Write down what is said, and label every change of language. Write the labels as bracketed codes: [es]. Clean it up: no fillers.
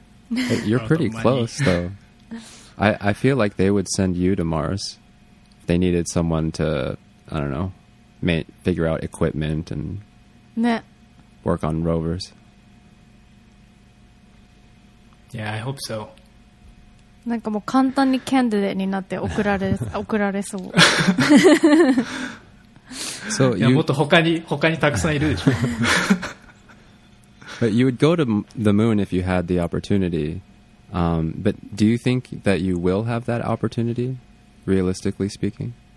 [en] Hey, you're pretty close, though. I feel like they would send you to Mars. They needed someone to, I don't know, figure out equipment and work on rovers. Yeah, I hope so. [ja] なんかもう簡単にキャンディデートになって送られそう。 [en] So you, [ja] もっと他にたくさんいるでしょ。 [en] But you would go to the moon if you had the opportunity. But do you think that you will have that opportunity, realistically speaking?